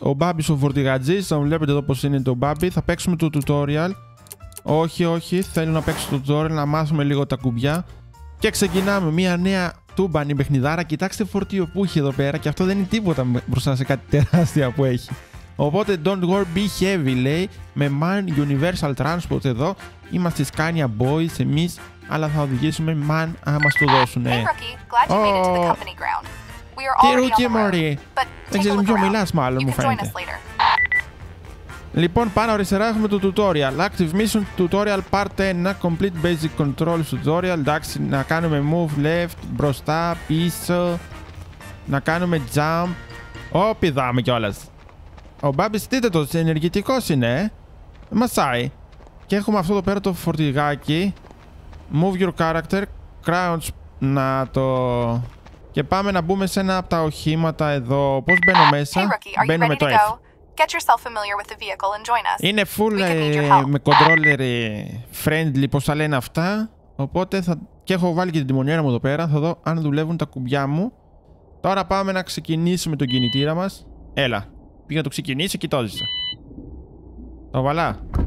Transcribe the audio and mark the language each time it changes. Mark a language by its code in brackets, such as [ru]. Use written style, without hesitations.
[el] Ο Μπάμπης ο φορτηγάτζης. Θα βλέπετε εδώ πως είναι το Μπάμπη. Θα παίξουμε το tutorial. Όχι, όχι. Θέλω να παίξω το tutorial, να μάθουμε λίγο τα κουμπιά. Και ξεκινάμε μια νέα τούμπανη παιχνιδάρα. Κοιτάξτε φορτίο που έχει εδώ πέρα και αυτό δεν είναι τίποτα μπροστά σε κάτι τεράστια που έχει. Οπότε [en] don't worry, be heavy [el] λέει, με Man Universal Transport εδώ. Είμαστε Scania Boys εμείς, αλλά θα οδηγήσουμε Man άμα στο δώσουν. [en] Hey, rookie. Glad you made it to the company [el] ground. Τι ρούκι, μωρί. Δεν ξέρω ποιο μιλάς μάλλον. Λοιπόν, πάνω αριστερά έχουμε το tutorial. Active Mission Tutorial Part 1. [en] Complete Basic Controls Tutorial. [el] Εντάξει, να κάνουμε [en] move left, [el] μπροστά, πίσω. Να κάνουμε jump. Όπι, δάμε κιόλας. Ο Μπάμπης, δείτε το, ενεργητικός είναι. Μασάει. Και έχουμε αυτό εδώ πέρα το φορτηγάκι. [en] Move your character. Crouch. [el] Να το... Και πάμε να μπούμε σε ένα από τα οχήματα εδώ. Πώς μπαίνω μέσα. Hey, μπαίνω με το F. [en] Get yourself familiar with the vehicle and join us. [el] Είναι full με controller friendly, πως τα λένε αυτά. Οπότε θα... και έχω βάλει και την τιμονιέρα μου εδώ πέρα. Θα δω αν δουλεύουν τα κουμπιά μου. Τώρα πάμε να ξεκινήσουμε τον κινητήρα μας. Έλα, πήγα να το ξεκινήσω και το έζησα. Το βαλά.